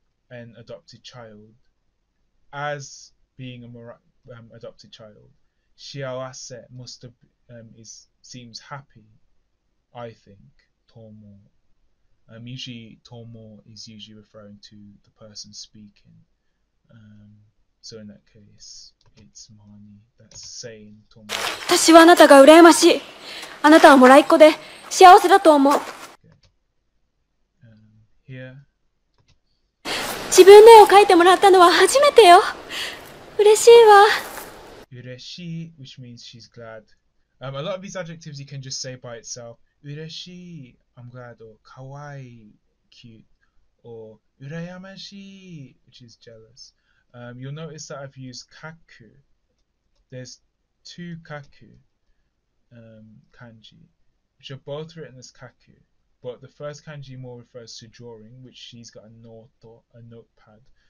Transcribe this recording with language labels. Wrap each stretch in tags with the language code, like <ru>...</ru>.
<en>an adopted child, as being a mora adopted child, shiawase must have, is seems happy, I think, tomo, usually tomo is usually referring to the person speaking. So in that case, it's Marnie that's saying Tomo.</en> <ja>私はあなたが羨ましい。あなたはもらいっ子で幸せだと思う。</ja> <en>Here.</en> <ja>自分の絵を描いてもらったのは初めてよ。嬉しいわ。</ja> <en>Ureshii, which means she's glad. A lot of these adjectives you can just say by itself. Ureshii, I'm glad, or kawaii, cute. Or urayamashii, which is jealous. You'll notice that I've used kaku. There's two kaku kanji, which are both written as kaku, but the first kanji more refers to drawing, which she's got a noto, a notepad.</en>